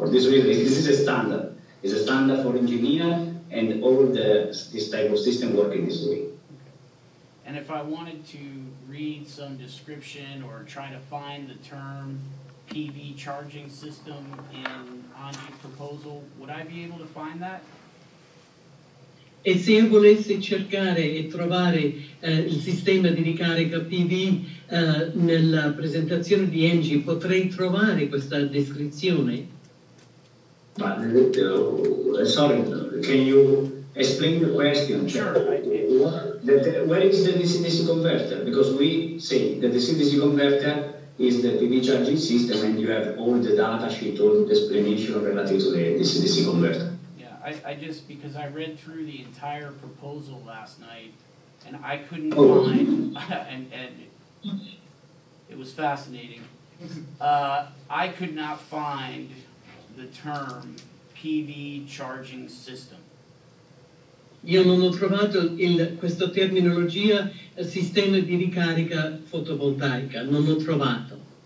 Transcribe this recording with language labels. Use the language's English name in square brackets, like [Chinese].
[English] For this reason, this is a standard. It's a standard for engineer, and all this type of system working this way. And if I wanted to read some description or try to find the term PV charging system in Anji's proposal, would I be able to find that? [Italian] E se io volessi cercare e trovare il sistema di ricarica PV nella presentazione di Angie, potrei trovare questa descrizione? [English] Sorry, can you explain the question? Sure. Where is the DC-DC converter? Because we say the DC-DC converter is the PV charging system and you have all the data sheet, all the explanation relative to the DC-DC converter. I just, because I read through the entire proposal last night, and I couldn't find, and it was fascinating, I could not find the term PV charging system. [Italian] Io non ho trovato questa terminologia, sistema di ricarica fotovoltaica, non ho trovato.